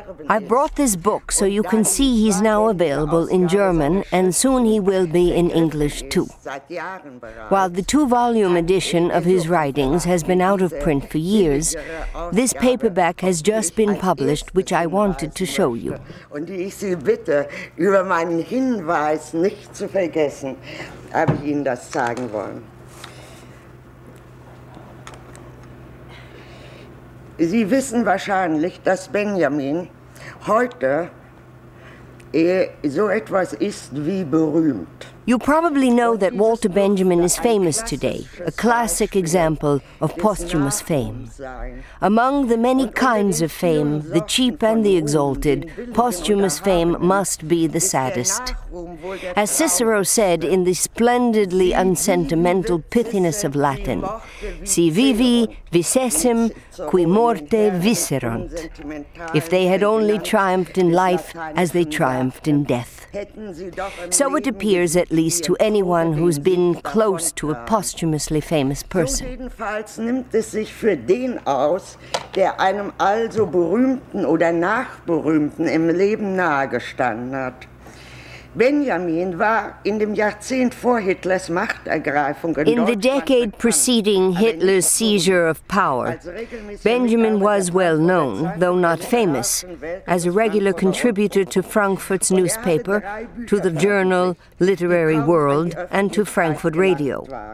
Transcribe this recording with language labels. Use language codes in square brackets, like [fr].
[en] I brought this book so you can see he's now available in German, and soon he will be in English too. While the two-volume edition of his writings has been out of print for years, this paperback has just been published, which I wanted to show you. [de] Und ich Sie bitte, über meinen Hinweis nicht zu vergessen, habe ich Ihnen das sagen wollen. Sie wissen wahrscheinlich, dass Benjamin heute so etwas ist wie berühmt. [en] You probably know that Walter Benjamin is famous today, a classic example of posthumous fame. Among the many kinds of fame, the cheap and the exalted, posthumous fame must be the saddest. As Cicero said in the splendidly unsentimental pithiness of Latin, [la] si vivi visessim, qui morte viserunt, [en] if they had only triumphed in life as they triumphed in death. So it appears at least to anyone who's been close to a posthumously famous person. [de] Jedenfalls nimmt es sich für den aus, der einem also berühmten oder nachberühmten im Leben nahegestanden hat. Benjamin war in dem Jahrzehnt vor Hitlers Machtergreifung [en] in the decade preceding Hitler's seizure of power, Benjamin was well known, though not famous, as a regular contributor to Frankfurt's newspaper, to the journal Literary World, and to Frankfurt Radio.